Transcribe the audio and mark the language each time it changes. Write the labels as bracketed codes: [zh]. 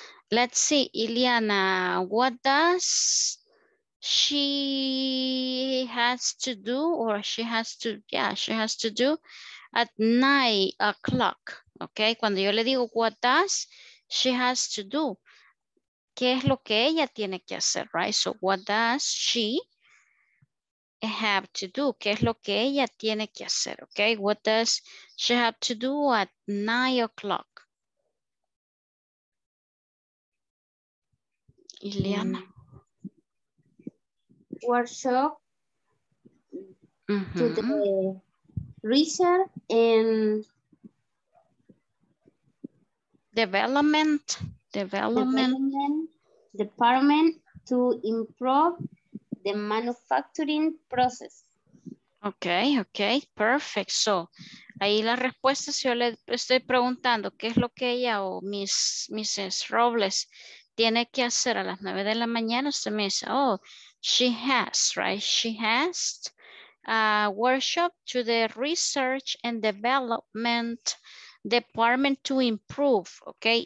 [en] Let's see, Iliana, what does she has to do, or she has to, yeah, she has to do at 9 o'clock, okay? [es] Cuando yo le digo [en] what does she has to do, [es] ¿qué es lo que ella tiene que hacer, right? [en] So, what does she have to do? [es] ¿Qué es lo que ella tiene que hacer, okay? [en] What does she have to do at 9 o'clock? Ileana. Workshop. Mm-hmm. To the research and Development department to improve the manufacturing process. Okay, okay, perfect. [es] So, ahí la respuesta, si yo le estoy preguntando qué es lo que ella o Mrs. Robles tiene que hacer a las 9 de la mañana, usted me dice, [en] oh, she has, right? She has a workshop to the research and development department to improve, okay?